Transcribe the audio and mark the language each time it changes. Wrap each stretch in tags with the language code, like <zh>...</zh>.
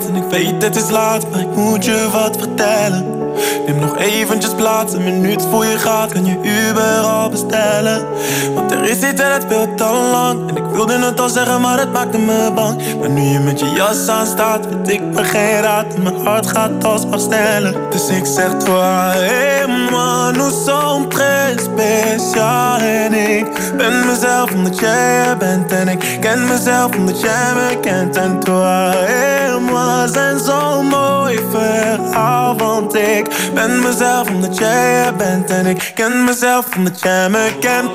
<nl>weet het is laat, maar ik moet je wat vertellen. Neem nog eventjes plaats, een minuut voor je gaat. Kan je Uber al bestellen? Want er is iets en het veel te lang. En ik wilde het al zeggen, maar het maakte me bang. Maar nu je met je jas aan staat, weet ik me geen raad. En mijn hart gaat alsmaar sneller. Dus ik zeg</nl> <fr>toi, hey man, nous sommes très spécial.</fr> <nl>En ik ben mezelf omdat jij er bent. En ik ken mezelf omdat jij me kent. En toi, hey man, zijn zo'n mooi verhaal. Want ik ben mezelf omdat jij er bent. En ik ken mezelf omdat jij me kent.</nl>